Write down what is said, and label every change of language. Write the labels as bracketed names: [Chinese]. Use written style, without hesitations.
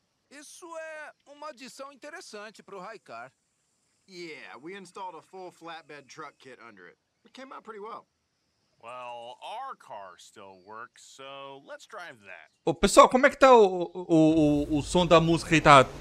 [Portuguese] Isso é uma adição interessante para o Haycar. [English] Yeah, we installed a full flatbed truck kit under it. It came out pretty well. Well, our car still works, so let's drive that. [Portuguese] Ô, pessoal, como é que tá o som da música aí?